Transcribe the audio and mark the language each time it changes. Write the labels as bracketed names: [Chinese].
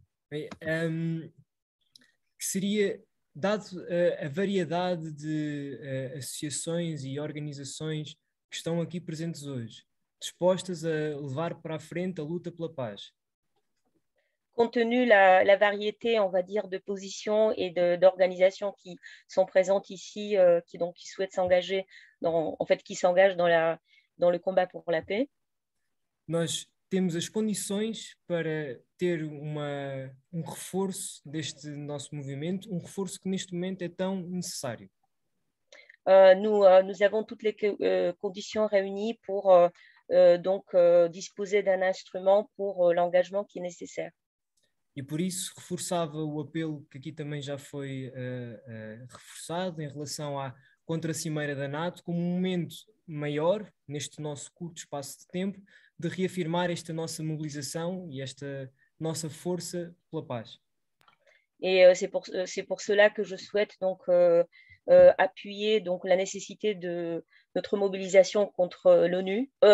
[Portuguese] Oui, seria dado a variedade de associações e organizações que estão aqui presentes hoje, dispostas a levar para a frente a luta pela paz. [French] Compte tenu la variété, on va dire, de positions et d'organisations qui sont présentes ici, qui souhaitent s'engager dans le combat pour la paix. [Portuguese] Nós temos as condições para ter um reforço deste nosso movimento, um reforço que neste momento é tão necessário. Nós temos todas as condições reunidas para [French] disposer de [Portuguese] um instrumento para o engajamento que é necessário. E por isso reforçava o apelo que aqui também já foi reforçado em relação à contra-cimeira da NATO como um momento maior neste nosso curto espaço de tempo de reafirmar esta nossa mobilização e esta nossa força pela paz. [French] E c'est pour cela que je souhaite appuyer donc la nécessité de notre mobilisation contre l'ONU.